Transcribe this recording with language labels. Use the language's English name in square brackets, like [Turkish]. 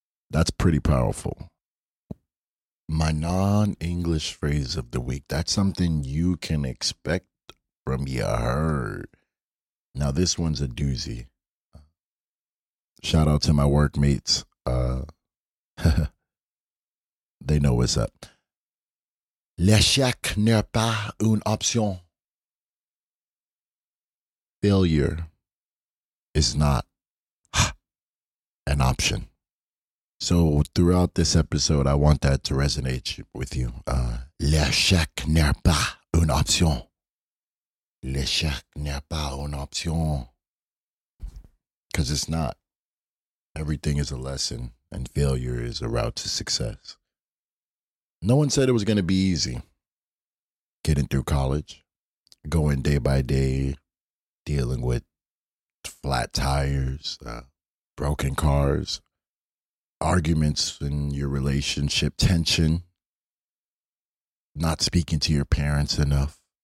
[English] That's pretty powerful. My non-English phrase of the week. That's something you can expect from your Herd. Now, this one's a doozy. Shout out to my workmates. They know what's up. [French] L'échec n'est pas une option. [English] Failure is not an option. So throughout this episode, I want that to resonate with you. [French] L'échec n'est pas une option. L'échec n'est pas une option. [English] Because it's not. Everything is a lesson, and failure is a route to success. No one said it was going to be easy getting through college, going day by day, dealing with flat tires, broken cars, arguments in your relationship, tension, not speaking to your parents enough,